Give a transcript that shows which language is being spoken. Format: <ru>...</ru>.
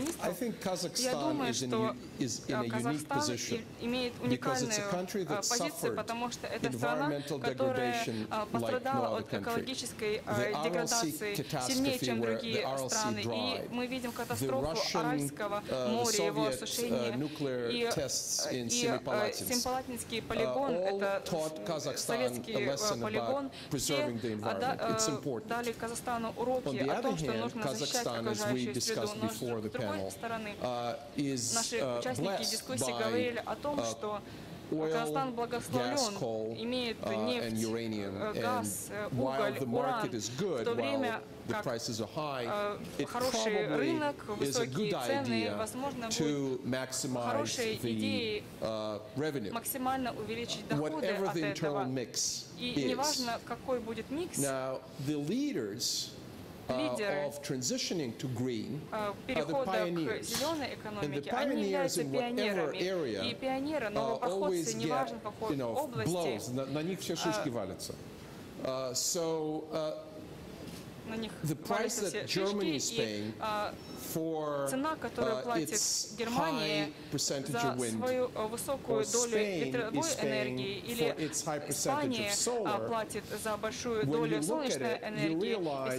<en>I think Kazakhstan is in a unique position because it's a country that suffered environmental degradation like no other country. The RLC catastrophe where the RLC dried, the Russian Soviet nuclear tests in Semipalatinsk, all taught Kazakhstan a lesson about preserving the environment. It's important.</en> <ru>Дали Казахстану уроки о том, что нужно защищать окружающую среду. Но с другой стороны, наши участники дискуссии говорили о том, что Казахстан благословлен, имеет нефть, газ, уголь, уран. В то время</ru> <en>the prices are high, it probably is a good idea to maximize the revenue, whatever the internal mix is. Now, the leaders of transitioning to green are the pioneers. And the pioneers in whatever area always get, blows.</en> <ru>На них все шишки валятся.</ru> <en>So, the price that Germany is paying for</en> <ru>цена, которую платит Германия за свою высокую долю ветровой энергии, или Испания платит за большую долю солнечной энергии.</ru>